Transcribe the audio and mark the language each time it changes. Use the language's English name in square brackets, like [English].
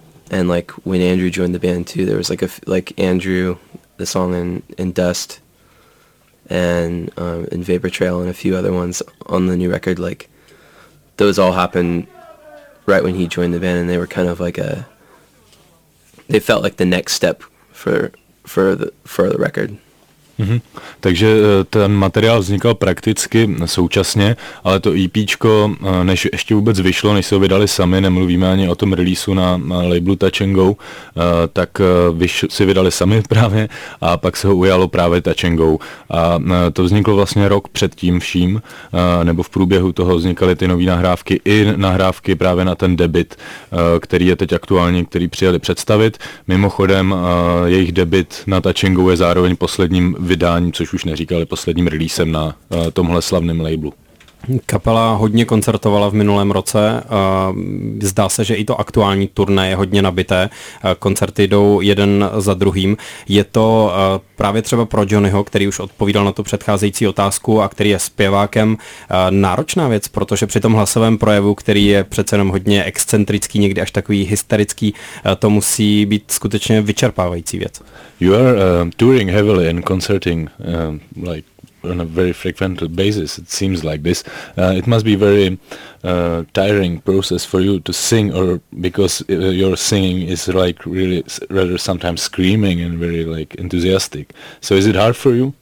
[English] And like when Andrew joined the band too, there was like Andrew, the song in Dust and Vapor Trail and a few other ones on the new record. Like those all happened right when he joined the band, and they were kind of like they felt like the next step for the record. Mm-hmm. [Czech] Takže ten materiál vznikal prakticky současně, ale to EPčko, než ještě vůbec vyšlo, než se ho vydali sami, nemluvíme ani o tom releaseu na labelu Touch & Go, tak si vydali sami právě a pak se ho ujalo právě Touch & Go. A to vzniklo vlastně rok před tím vším, nebo v průběhu toho vznikaly ty nové nahrávky i nahrávky právě na ten debut, který je teď aktuální, který přijeli představit. Mimochodem, jejich debut na Touch & Go je zároveň posledním vydání, což už neříkali, posledním releasem na tomhle slavném labelu. Kapela hodně koncertovala v minulém roce. Zdá se, že i to aktuální turné je hodně nabité. Koncerty jdou jeden za druhým. Je to právě třeba pro Johnnyho, který už odpovídal na tu předcházející otázku a který je zpěvákem, náročná věc, protože při tom hlasovém projevu, který je přece jenom hodně excentrický, někdy až takový hysterický, to musí být skutečně vyčerpávající věc. [English] You are touring heavily and concerting like on a very frequent basis, it seems like this. It must be very tiring process for you to sing, or because your singing is like really rather sometimes screaming and very like enthusiastic. So is it hard for you?